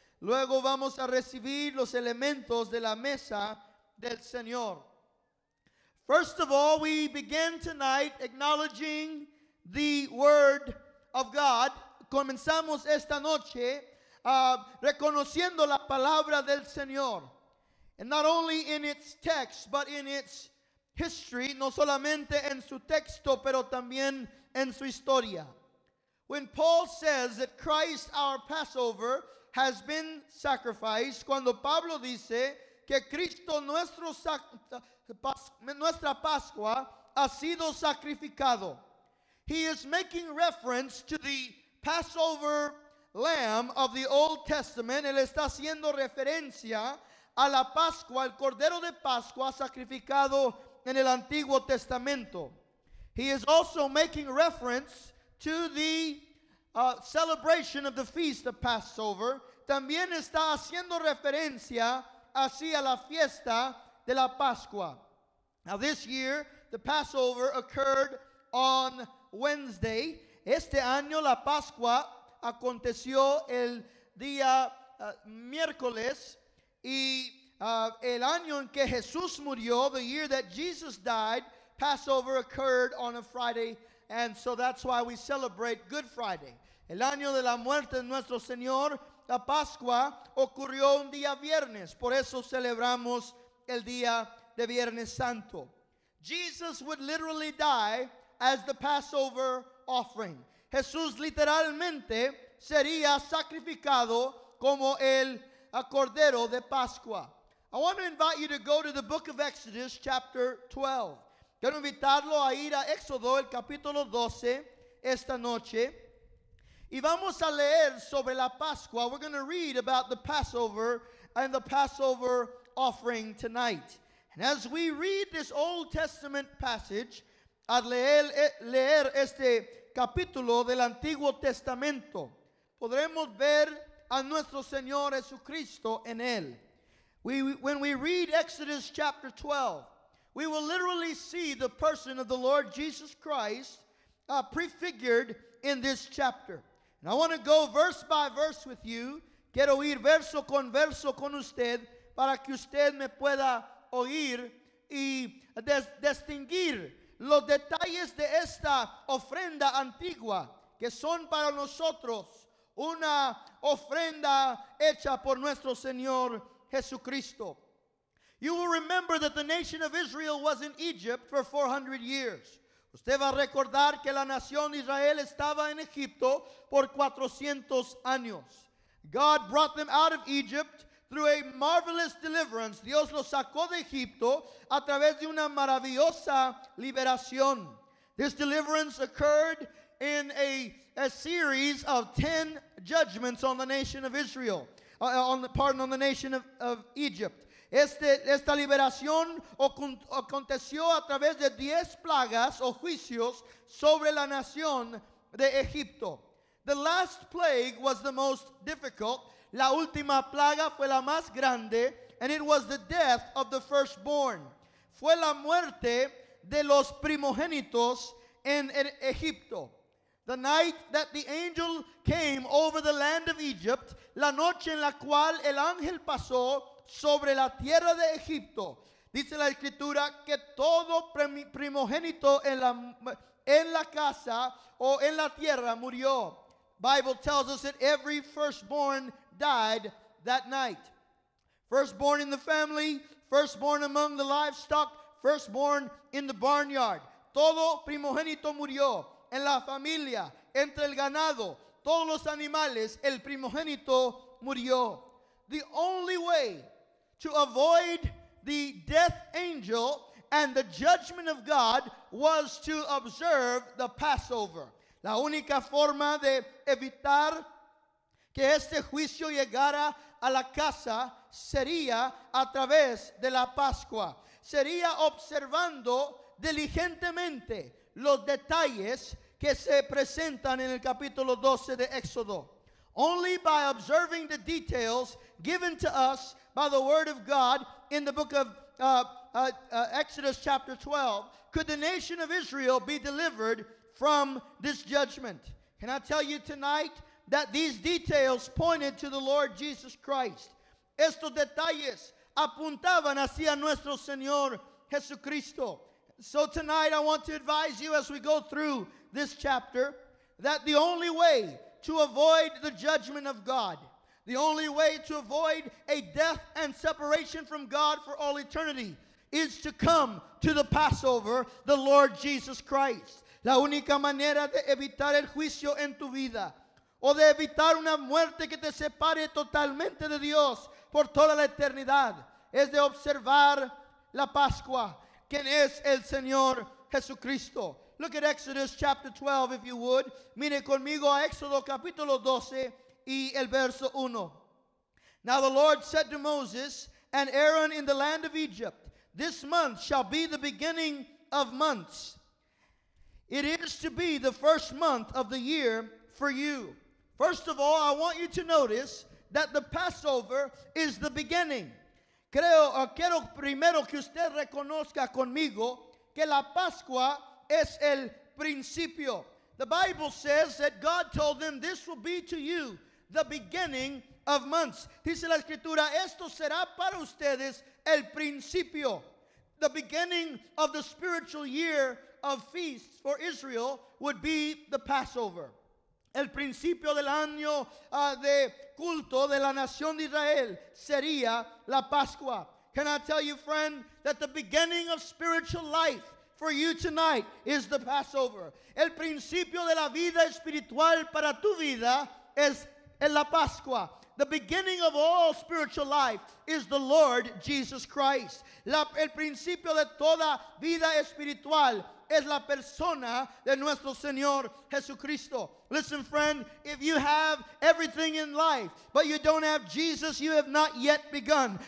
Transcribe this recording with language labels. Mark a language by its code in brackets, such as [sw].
[es] Luego vamos a recibir los elementos de la mesa del Señor. [en] First of all, we begin tonight acknowledging the Word of God. [es] Comenzamos esta noche reconociendo la palabra del Señor. [en] And not only in its text, but in its history. [es] No solamente en su texto, pero también en su historia. [en] When Paul says that Christ, our Passover, has been sacrificed, [es] cuando Pablo dice que Cristo, nuestra Pascua, ha sido sacrificado. [en] He is making reference to the Passover lamb of the Old Testament. [es] Él está haciendo referencia a la Pascua, el Cordero de Pascua, sacrificado en el Antiguo Testamento. [en] He is also making reference to the celebration of the feast of Passover. [es] También está haciendo referencia así a la fiesta de la Pascua. [en] Now this year, the Passover occurred on Wednesday. [es] Este año, la Pascua aconteció el día miércoles. Y el año en que Jesús murió, [en] the year that Jesus died, Passover occurred on a Friday. And so that's why we celebrate Good Friday. [es] El año de la muerte de nuestro Señor, la Pascua ocurrió un día viernes. Por eso celebramos el día de Viernes Santo. [en] Jesus would literally die as the Passover offering. [es] Jesús literalmente sería sacrificado como el Cordero de Pascua. [en] I want to invite you to go to the book of Exodus, chapter 12. [es] Quiero invitarlo a ir a Éxodo, el capítulo 12, esta noche. Y vamos a leer sobre la Pascua. [en] We're going to read about the Passover and the Passover offering tonight. And as we read this Old Testament passage, [es] al leer este capítulo del Antiguo Testamento, podremos ver a nuestro Señor Jesucristo en él. [en] When we read Exodus chapter 12, we will literally see the person of the Lord Jesus Christ prefigured in this chapter. And I want to go verse by verse with you, [es] Quiero ir verso con usted para que usted me pueda oír y distinguir los detalles de esta ofrenda antigua que son para nosotros una ofrenda hecha por nuestro Señor Jesucristo. [en] You will remember that the nation of Israel was in Egypt for 400 years. [es] Usted va a recordar que la nación de Israel estaba en Egipto por 400 años. [en] God brought them out of Egypt through a marvelous deliverance. [es] Dios los sacó de Egipto a través de una maravillosa liberación. [en] This deliverance occurred in a series of 10 judgments on the nation of Israel, on the nation of Egypt. [es] Esta liberación aconteció a través de 10 plagas o juicios sobre la nación de Egipto. [en] The last plague was the most difficult. [es] La última plaga fue la más grande, [en] and it was the death of the firstborn. [es] Fue la muerte de los primogénitos en Egipto. [en] The night that the angel came over the land of Egypt, [es] la noche en la cual el ángel pasó sobre la tierra de Egipto, dice la escritura que todo primogénito en la casa o en la tierra murió. [en] Bible tells us that every firstborn died that night. Firstborn in the family, firstborn among the livestock, firstborn in the barnyard. [es] Todo primogénito murió en la familia, entre el ganado, todos los animales, el primogénito murió. [en] The only way to avoid the death angel and the judgment of God was to observe the Passover. [es] La única forma de evitar que este juicio llegara a la casa sería a través de la Pascua. Sería observando diligentemente los detalles que se presentan en el capítulo 12 de Éxodo. [en] Only by observing the details given to us by the word of God in the book of Exodus chapter 12 could the nation of Israel be delivered from this judgment. Can I tell you tonight that these details pointed to the Lord Jesus Christ? [es] Estos detalles apuntaban hacia nuestro Señor Jesucristo. [en] So tonight I want to advise you as we go through this chapter that the only way to avoid the judgment of God, the only way to avoid a death and separation from God for all eternity is to come to the Passover, the Lord Jesus Christ. [es] La única manera de evitar el juicio en tu vida o de evitar una muerte que te separe totalmente de Dios por toda la eternidad es de observar la Pascua, quien es el Señor Jesucristo. [en] Look at Exodus chapter 12, if you would. [es] Mire conmigo a Éxodo capítulo 12 y el verso 1. [en] Now the Lord said to Moses and Aaron in the land of Egypt, "This month shall be the beginning of months. It is to be the first month of the year for you." First of all, I want you to notice that the Passover is the beginning. [es] Quiero primero que usted reconozca conmigo que la Pascua es el principio. [en] The Bible says that God told them, "This will be to you the beginning of months." [es] Dice la escritura, "Esto será para ustedes el principio." [en] The beginning of the spiritual year of feasts for Israel would be the Passover. [es] El principio del año de culto de la nación de Israel sería la Pascua. [en] Can I tell you, friend, that the beginning of spiritual life for you tonight is the Passover. [es] El principio de la vida espiritual para tu vida es la Pascua. [en] The beginning of all spiritual life is the Lord Jesus Christ. [es] El principio de toda vida espiritual es la persona de nuestro Señor Jesucristo. [en] Listen, friend, if you have everything in life, but you don't have Jesus, you have not yet begun.